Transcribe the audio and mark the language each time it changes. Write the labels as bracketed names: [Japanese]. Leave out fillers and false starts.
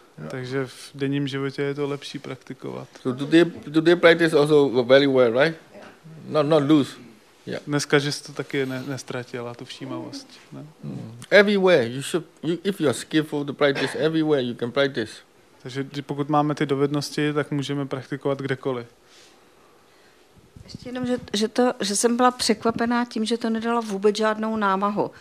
[Czech] Takže v denním životě je to lepší praktikovat. [English] So do they practice also very well, right? Yeah. Not loose. Yeah. [Czech] Dneska, že jsi to taky nestratila, tu všímavost. Ne? Mm. [English] Everywhere, if you are skillful to practice, everywhere you can practice. [Czech] Takže pokud máme ty dovednosti, tak můžeme praktikovat kdekoliv. Ještě jenom, že jsem byla překvapená tím, že to nedalo vůbec žádnou námahu.